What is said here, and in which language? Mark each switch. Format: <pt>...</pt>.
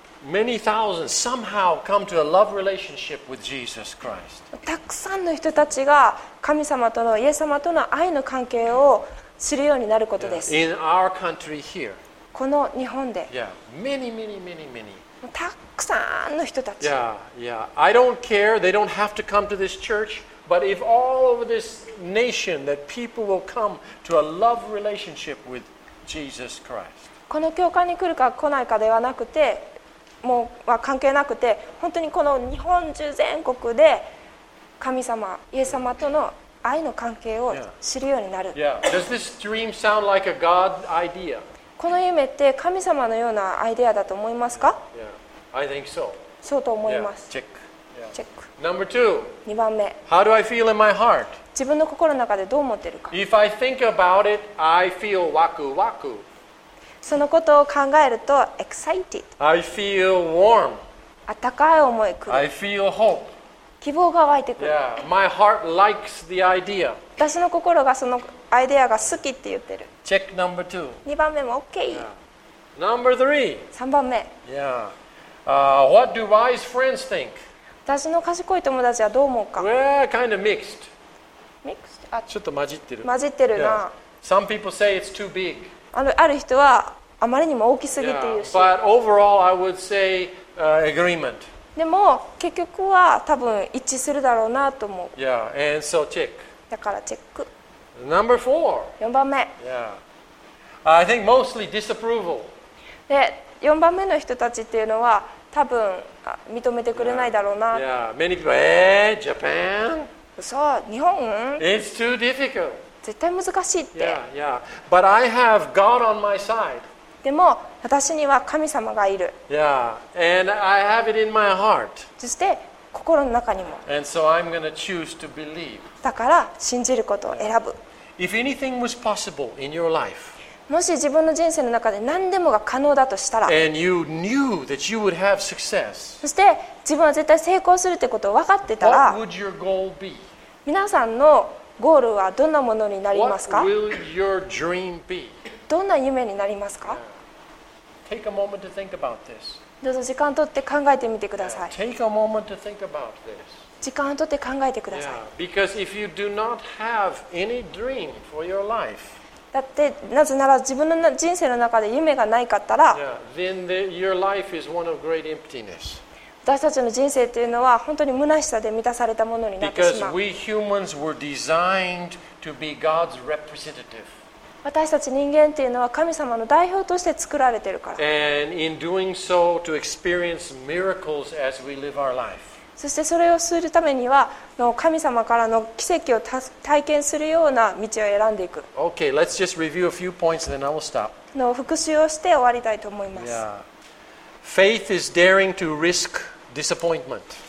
<en>many thousands somehow come to a love relationship with Jesus Christ.</en> <ja>たくさんの人たちが神様との、イエス様との愛の関係を知るようになることです。</ja> <en>In our country here.</en> <ja>この日本で、</ja> <en>many.</en> <ja>たくさんの人たち。</ja> <en>I don't care. They don't have to come to this church. But if all over this nation that people will come to a love relationship with Jesus Christ.</en> <ja>この教会に来るか来ないかではなくて、もうは関係なくて、本当にこの日本中全国で神様、イエス様との愛の関係を知るようになる。</ja> <en>Does this dream sound like a God idea?</en> <ja>この夢って神様のようなアイデアだと思いますか？</ja> <en>I think so.</en> <ja>そうと思います。</ja> <en>チェック。Number two.</en> <ja>2番目。</ja> <en>How do I feel in my heart?</en> <ja>自分の心の中でどう思ってるか。</ja> <en>If I think about it, I feel</en> <ja>waku waku. そのことを考えると</ja> <en>excited. I feel warm.</en> <ja>温かい思いくる。</ja> <en>I feel hope.</en> <ja>希望が湧いてくる。</ja> <en>My heart likes the idea.</en> <ja>私の心がそのアイデアが好きって言ってる。</ja> <en>Check number two.</en> <ja>2番目も OK。</ja> <en>Number three.</en> <ja>3番目。</ja> <en>What do wise friends think?</en> <ja>私の賢い友達はどう思うか。</ja> <en>Kind of mixed. Mixed?</en> <ja>ちょっと混じってる。混じってるな。</ja> <en>Some people say it's too big.</en> <ja>ある人はあまりにも大きすぎって言うし。</ja> <en>But overall I would say agreement.</en> <ja>でも結局は多分一致するだろうなと思う。</ja> <en>Yeah, and so check.</en> <ja>だからチェック。</ja> <en>Number four.</en> <ja>4番目。</ja> <en>I think mostly disapproval.</en> <ja>で、4番目の人たちっていうのは多分認めてくれないだろうな。</ja> <en>Many people, Japan?</en> <ja>そう、日本？</ja> <en>It's too difficult.</en> <ja>絶対難しいって。</ja> <en>But I have God on my side.</en> <ja>でも、私には神様がいる。</ja> <en>And I have it in my heart.</en> <ja>そして、心の中にも。</ja> <en>And so I'm going to choose to believe.</en> <ja>だから信じることを選ぶ。</ja> <en>If anything was possible in your life,</en> <ja>もし自分の人生の中で何でもが可能だとしたら、</ja> <en>and you knew that you would have success,</en> <ja>そして自分は絶対成功するということを分かってたら、</ja> <en>what would your goal be?</en> <ja>皆さんのゴールはどんなものになりますか？</ja> <en>What will your dream be?</en> <ja>どんな夢になりますか？</ja> <en>Take a moment to think about this.</en> <ja>どうぞ時間を取って考えてみてください。</ja> <en>Take a moment to think about this.</en> <ja>時間を取って考えてください。</ja> <en>Because if you do not have any dream for your life,</en> <ja>だってなぜなら自分の人生の中で夢がないかったら、</ja> <en>then your life is one of great emptiness.</en> <ja>私たちの人生というのは本当に虚しさで満たされたものになってしまう。</ja> <en>Because we humans were designed to be God's representative.</en> <ja>私たち人間というのは神様の代表として作られているから。</ja> <en>And in doing so, to experience miracles as we live our life.</en> <ja>そしてそれをするためには神様からの奇跡を体験するような道を選んでいく。</ja> <en>OK, let's just review a few points and then I will stop.</en> <ja>復習をして終わりたいと思います。</ja> <en>Faith is daring to risk disappointment.</en>